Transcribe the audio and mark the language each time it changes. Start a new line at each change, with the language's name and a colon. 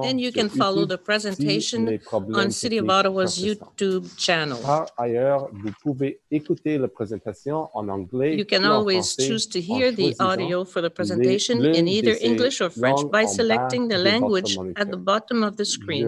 English: and you can follow the presentation on City of Ottawa's YouTube channel.
French: Par ailleurs, vous pouvez écouter la présentation en anglais.
English: You can always choose to hear the audio for the presentation in either English or French by selecting the language at the bottom of the screen.